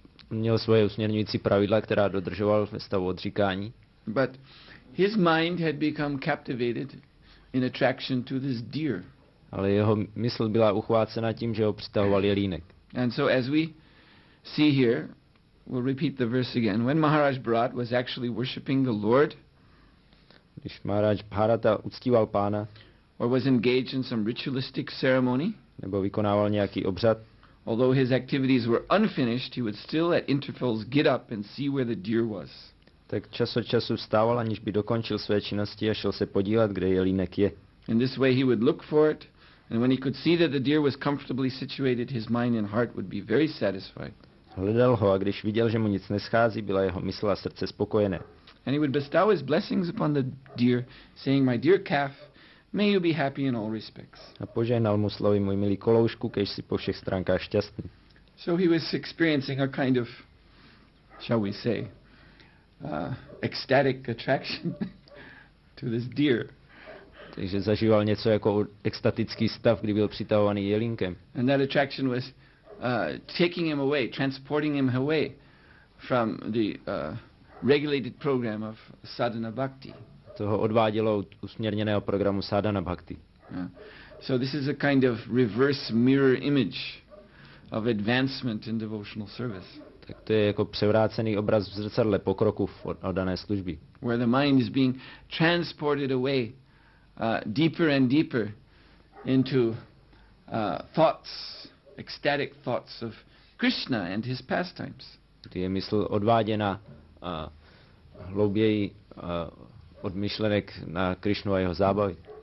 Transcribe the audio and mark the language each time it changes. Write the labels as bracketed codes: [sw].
[cs] Měl svoje usměrňující pravidla, která dodržoval ve stavu odříkání. [en] But his mind had become captivated in attraction to this deer. [cs] Ale jeho mysl byla uchvácena tím, že ho přitahoval jelínek. [en] And so as we see here, we'll repeat the verse again. When Maharaj Bharat was actually worshipping the Lord, [cs] když Maharaj Bharata uctíval pána, [en] or was engaged in some ritualistic ceremony, [cs] nebo vykonával nějaký obřad, [en] although his activities were unfinished, he would still at intervals get up and see where the deer was. [cs] Tak čas od času vstával, aniž by dokončil své činnosti a šel se podívat, kde jelínek je. [en] In this way he would look for it, and when he could see that the deer was comfortably situated, his mind and heart would be very satisfied. [cs] Hledal ho, a když viděl, že mu nic neschází, byla jeho mysl a srdce spokojené. [en] And he would bestow his blessings upon the deer, saying, "My dear calf, may you be happy in all respects." [cs] A požehnal mu slovy, můj milý koloušku, kež si po všech stránkách šťastný. [en] So he was experiencing a kind of, shall we say, ecstatic attraction to this deer. [cs] Takže zažíval něco jako extatický stav, kdy byl přitahovaný jelínkem. [en] And that attraction was taking him away, transporting him away from the regulated program of sadhana bhakti. [cs] To ho odvádělo od usměrněného programu sadhana bhakti. [en] So this is a kind of reverse mirror image of advancement in devotional service. [cs] Tak to je jako převrácený obraz v zrcadle pokroku v dané službě. [en] Where the mind is being transported away deeper and deeper into thoughts, ecstatic thoughts of Krishna and his pastimes. [cs] Kdy je mysl odváděna hlouběji od myšlenek na Krišnu a jeho zábavy.